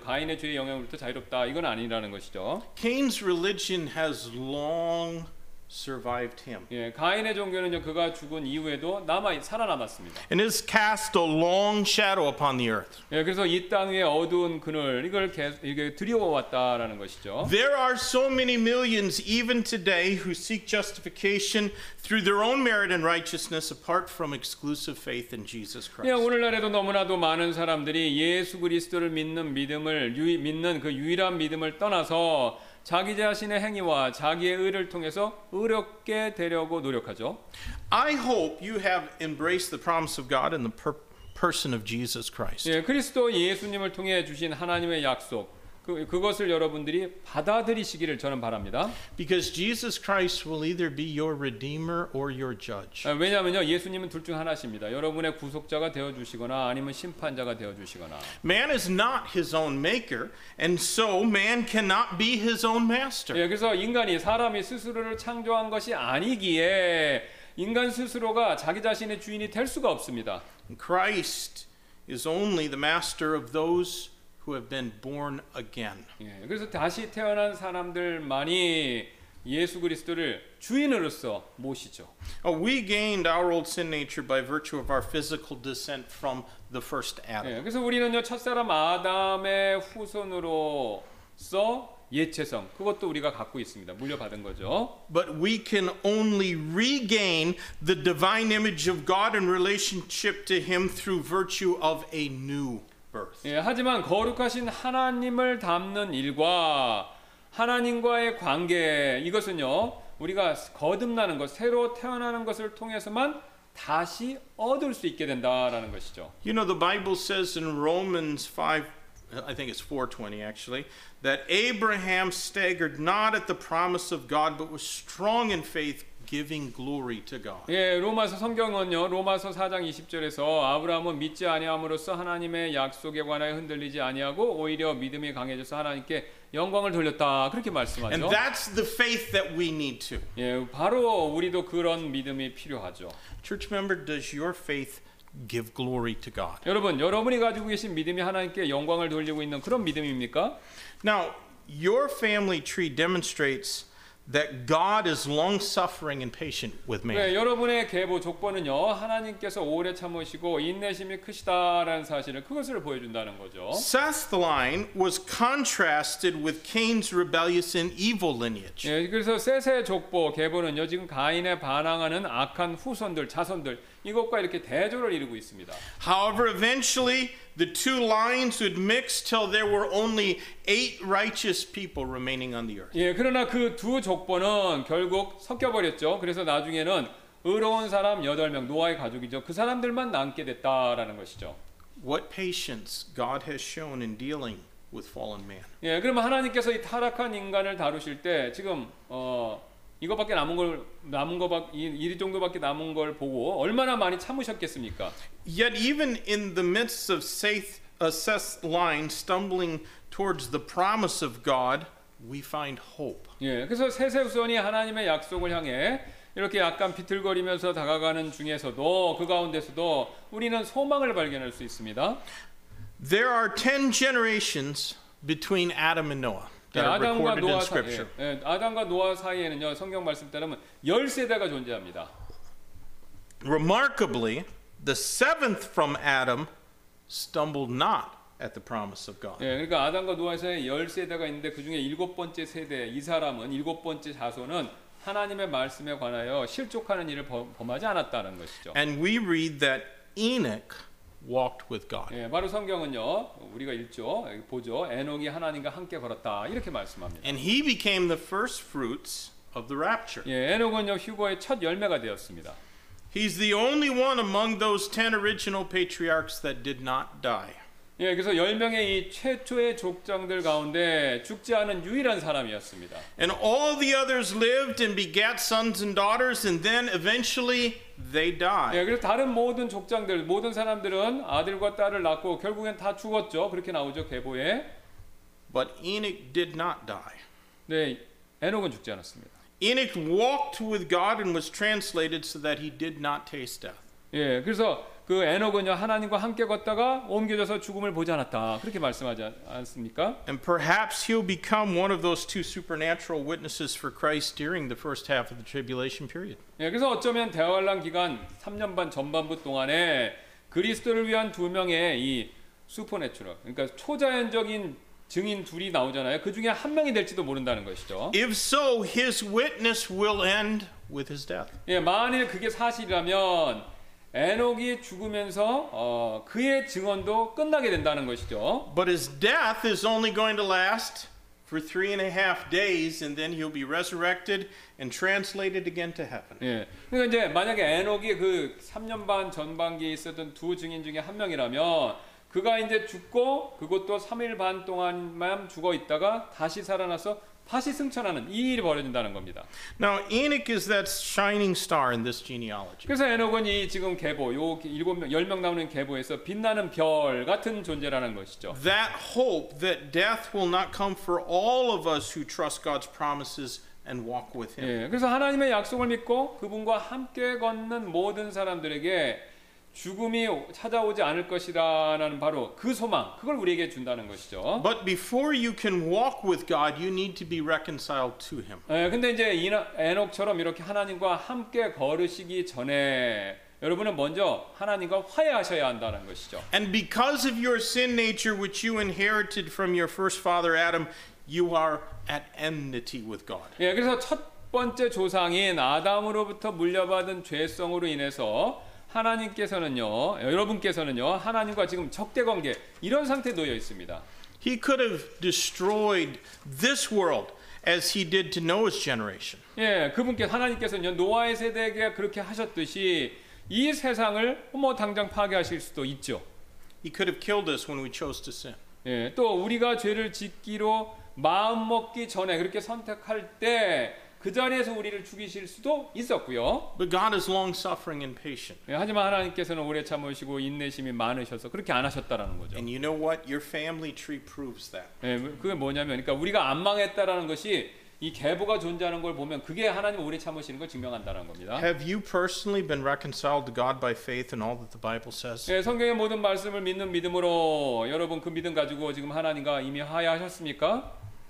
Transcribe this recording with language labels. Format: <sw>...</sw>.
<ko>가인의 죄의 영향으로부터 자유롭다, 이건 아니라는 것이죠.</ko> <en>Cain's religion has long survived him.</en> <ko>예, 가인의 종교는요, 그가 죽은 이후에도 살아남았습니다.</ko> <en>And has cast a long shadow upon the earth.</en> <ko>예, 그래서 이 땅 위에 어두운 그늘, 이걸 계속 이게 드리워왔다라는 것이죠.</ko> <en>There are so many millions even today who seek justification through their own merit and righteousness apart from exclusive faith in Jesus Christ.</en> <ko>예, 오늘날에도 너무나도 많은 사람들이 예수 그리스도를 믿는 믿음을 믿는 그 유일한 믿음을 떠나서 자기 자신의 행위와 자기의 의를 통해서 의롭게 되려고 노력하죠.</ko> <en>I hope you have embraced the promise of God in the person of Jesus Christ.</en> <ko>예, 그리스도 예수님을 통해 주신 하나님의 약속, 그것을 여러분들이 받아들이시기를 저는 바랍니다.</ko> <en>Because Jesus Christ will either be your redeemer or your judge.</en> <ko>왜냐하면요, 예수님은 둘 중 하나십니다. 여러분의 구속자가 되어 주시거나 아니면 심판자가 되어 주시거나.</ko> <en>Man is not his own maker, and so man cannot be his own master.</en> <ko>예, 그래서 인간이 사람이 스스로를 창조한 것이 아니기에 인간 스스로가 자기 자신의 주인이 될 수가 없습니다.</ko> <en>Christ is only the master of those who have been born again.</en> <ko>예, 그래서 다시 태어난 사람들만이 예수 그리스도를 주인으로서 모시죠.</ko> <en>We gained our old sin nature by virtue of our physical descent from the first Adam.</en> <ko>예, 그래서 우리는요, 첫 사람 아담의 후손으로서 예체성, 그것도 우리가 갖고 있습니다. 물려받은 거죠.</ko> <en>But we can only regain the divine image of God in relationship to him through virtue of a new birth.</en> <ko>예, 하지만 거룩하신 하나님을 닮는 일과 하나님과의 관계, 이것은요, 우리가 거듭나는 것, 새로 태어나는 것을 통해서만 다시 얻을 수 있게 된다라는 것이죠.</ko> <en>You know, the Bible says in Romans 5, I think it's 4:20 actually, that Abraham staggered not at the promise of God, but was strong in faith, giving glory to God.</en> <ko>예, 로마서 성경은요, 로마서 4장 20절에서 아브라함은 믿지 아니함으로써 하나님의 약속에 관하여 흔들리지 아니하고 오히려 믿음이 강해져서 하나님께 영광을 돌렸다 그렇게 말씀하죠.</ko> <en>And that's the faith that we need to.</en> <ko>예, 바로 우리도 그런 믿음이 필요하죠.</ko> <en>Church member, does your faith give glory to God?</en> <ko>여러분, 여러분이 가지고 계신 믿음이 하나님께 영광을 돌리고 있는 그런 믿음입니까?</ko> <en>Now, your family tree demonstrates that God is long-suffering and patient with man.</en> <ko>네, 여러분의 계보 족보는요, 하나님께서 오래 참으시고 인내심이 크시다라는 사실을 그것을 보여준다는 거죠.</ko> <en>Seth's line was contrasted with Cain's rebellious and evil lineage.</en> <ko>네, 그래서 셋의 족보 계보는요, 지금 가인의 반항하는 악한 후손들 자손들 이것과 이렇게 대조를 이루고 있습니다.</ko> <en>However, eventually the two lines would mix till there were only eight righteous people remaining on the earth.</en> <ko>예, 그러나 그 두 족보는 결국 섞여 버렸죠. 그래서 나중에는 의로운 사람 8명, 노아의 가족이죠. 그 사람들만 남게 됐다라는 것이죠.</ko> <en>What patience God has shown in dealing with fallen man.</en> <ko>예, 그러면 하나님께서 이 타락한 인간을 다루실 때 지금 이것밖에 남은 걸 남은 거밖 이 정도밖에 남은 걸 보고 얼마나 많이 참으셨겠습니까?</ko> <en>Yet even in the midst of Seth's line stumbling towards the promise of God, we find hope.</en> <ko>예, 그래서 셋의 후손이 하나님의 약속을 향해 이렇게 약간 비틀거리면서 다가가는 중에서도 그 가운데서도 우리는 소망을 발견할 수 있습니다.</ko> <en>There are 10 generations between Adam and Noah. That are recorded in scripture.</en> <ko>예, 아담과 노아 사이에는요, 성경 말씀 따르면 열 세대가 존재합니다.</ko> <en>Remarkably, the seventh from Adam stumbled not at the promise of God.</en> <ko>예, 그러니까 아담과 노아 사이에 열 세대가 있는데 그 중에 일곱 번째 세대 이 사람은 일곱 번째 자손은 하나님의 말씀에 관하여 실족하는 일을 범하지 않았다는 것이죠.</ko> <en>And we read that Enoch walked with God.</en> <ko>예, 바로 성경은요. 우리가 읽죠. 보죠. 에녹이 하나님과 함께 걸었다. 이렇게 말씀합니다.</ko> <en>And he became the first fruits of the rapture.</en> <ko>예, 에녹은요. 휴거의 첫 열매가 되었습니다.</ko> <en>He's the only one among those 10 original patriarchs that did not die.</en> <ko>예, 그래서 열 명의 이 최초의 족장들 가운데 죽지 않은 유일한 사람이었습니다.</ko> <en>And all the others lived and begat sons and daughters and then eventually they died.</en> <ko>예, 그래서 다른 모든 족장들, 모든 사람들은 아들과 딸을 낳고 결국엔 다 죽었죠. 그렇게 나오죠, 계보에.</ko> <en>But Enoch did not die.</en> <ko>네, 에녹은 죽지 않았습니다.</ko> <en>Enoch walked with God and was translated so that he did not taste death.</en> <ko>예, 그래서 그 에녹은요 하나님과 함께 걷다가 옮겨져서 죽음을 보지 않았다 그렇게 말씀하지 않습니까?</ko> <en>And perhaps he'll become one of those two supernatural witnesses for Christ during the first half of the tribulation period.</en> <ko>예, 그래서 어쩌면 대환란 기간 3년 반 전반부 동안에 그리스도를 위한 두 명의 이 슈퍼내추럴 그러니까 초자연적인 증인 둘이 나오잖아요. 그 중에 한 명이 될지도 모른다는 것이죠.</ko> <en>If so, his witness will end with his death.</en> <ko>예, 만일 그게 사실이라면 에녹이 죽으면서 그의 증언도 끝나게 된다는 것이죠.</ko> <en>But his death is only going to last for 3.5 days, and then he'll be resurrected and translated again to heaven.</en> <ko>예, 그러니까 이제 만약에 에녹이 그 3년 반 전반기에 있었던 두 증인 중에 한 명이라면 그가 이제 죽고 그것도 3일 반 동안만 죽어 있다가 다시 살아나서 다시 승천하는 이 일이 벌어진다는 겁니다.</ko> <en>Now Enoch is that shining star in this genealogy.</en> <ko>그래서 에녹은 이 지금 계보 요 일곱 명 열 명 나오는 계보에서 빛나는 별 같은 존재라는 것이죠.</ko> <en>That hope that death will not come for all of us who trust God's promises and walk with him.</en> <ko>예, 그래서 하나님의 약속을 믿고 그분과 함께 걷는 모든 사람들에게 죽음이 찾아오지 않을 것이라는 바로 그 소망 그걸 우리에게 준다는 것이죠.</ko> <en>But before you can walk with God, you need to be reconciled to him.</en> <ko>예, 근데 이제 에녹처럼 이렇게 하나님과 함께 걸으시기 전에 여러분은 먼저 하나님과 화해하셔야 한다는 것이죠.</ko> <en>And because of your sin nature which you inherited from your first father Adam, you are at enmity with God.</en> <ko>예, 그래서 첫 번째 조상인 아담으로부터 물려받은 죄성으로 인해서 하나님께서는요, 여러분께서는요, 하나님과 지금 적대 관계 이런 상태에 놓여 있습니다.</ko> <en>He could have destroyed this world as he did to Noah's generation.</en> <ko>예, 그분께 하나님께서는요, 노아의 세대에게 그렇게 하셨듯이 이 세상을 뭐 당장 파괴하실 수도 있죠.</ko> <en>He could have killed us when we chose to sin.</en> <ko>예, 또 우리가 죄를 짓기로 마음 먹기 전에 그렇게 선택할 때 그 자리에서 우리를 죽이실 수도 있었고요.</ko> <en>But God is long-suffering and patient.</en> <ko>예, 하지만 하나님께서는 오래 참으시고 인내심이 많으셔서 그렇게 안 하셨다라는 거죠.</ko> <en>And you know what? Your family tree proves that.</en> <ko>예, 그게 뭐냐면, 그러니까 우리가 안 망했다라는 것이 이 계보가 존재하는 걸 보면 그게 하나님 오래 참으시는 걸 증명한다는 겁니다.</ko> <en>Have you personally been reconciled to God by faith in all that the Bible says?</en> <ko>예, 성경의 모든 말씀을 믿는 믿음으로 여러분 그 믿음 가지고 지금 하나님과 이미 화해하셨습니까?</ko>